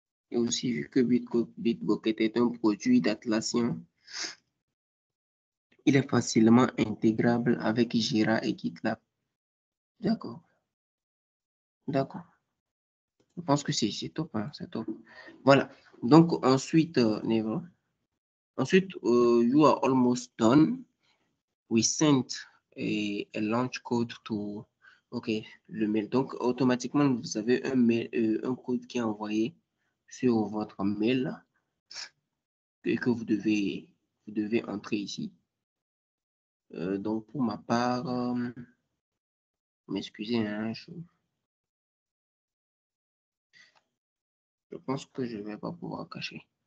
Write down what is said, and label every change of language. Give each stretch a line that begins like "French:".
French: Et aussi, vu que Bitbucket est un produit d'Atlassian, il est facilement intégrable avec Jira et GitLab. D'accord. D'accord. Je pense que c'est top, hein, c'est top. Voilà. Donc, ensuite, Nero. Ensuite,
English: you are almost done. We sent a launch code to. OK,
French: le mail. Donc, automatiquement, vous avez un mail, un code qui est envoyé sur votre mail et que vous devez entrer ici. Donc, pour ma part, m'excusez, hein, je pense que je ne vais pas pouvoir cacher.